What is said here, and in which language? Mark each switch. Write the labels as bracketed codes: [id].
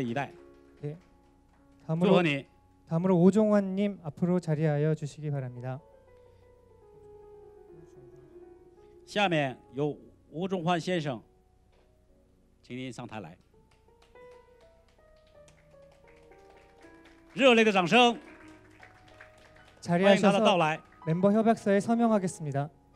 [zh] 现在我们国际机构，世界绿色气候机构，年轻的生命，年轻的一代涌现出啊，越来越涌现出年轻的一代。祝贺你。 [ko] 다음으로 오종환님 앞으로 자리하여 주시기 바랍니다. [zh] 下面由吴忠焕先生，请您上台来。热烈的掌声。 [ko] 자리하셔서 멤버 협약서에 서명하겠습니다.